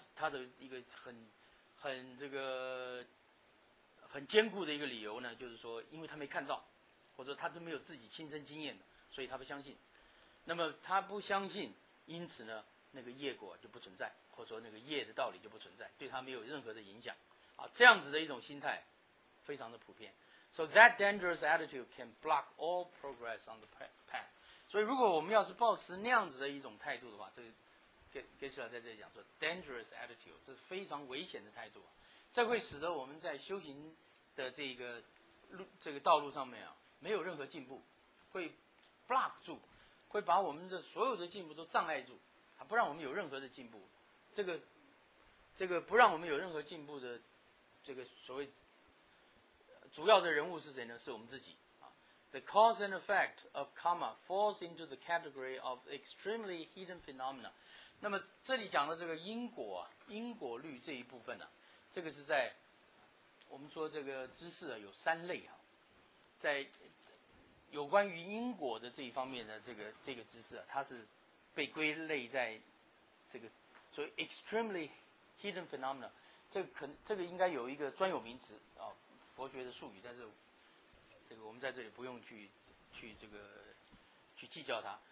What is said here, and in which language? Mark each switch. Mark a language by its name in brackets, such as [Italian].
[Chinese] 的一个很这个很坚固的一个理由呢，就是说因为他没看到，或者他都没有自己亲身经验的，所以他不相信，那么他不相信，因此呢那个业果就不存在，或者说那个业的道理就不存在，对他没有任何的影响啊，这样子的一种心态非常的普遍。 [English] So that dangerous attitude can block all progress on the path. [Chinese] 所以如果我们要是抱持那样子的一种态度的话，这个 Geshe-la 在这里讲说 [English] dangerous attitude， [Chinese] 这是非常危险的态度，这会使得我们在修行的这个道路上面啊没有任何进步，会 block 住，会把我们的所有的进步都障碍住，他不让我们有任何的进步，这个不让我们有任何进步的这个所谓主要的人物是谁呢？是我们自己啊。 [English] The cause and effect of karma falls into the category of extremely hidden phenomena. [Chinese] 那么这里讲的这个因果啊，因果律这一部分呢，这个是在我们说这个知识啊有三类啊，在有关于因果的这一方面的这个知识啊，它是被归类在这个所谓 [English] extremely hidden phenomena， [Chinese] 这个应该有一个专有名词啊，佛学的术语，但是这个我们在这里不用去这个去计较它。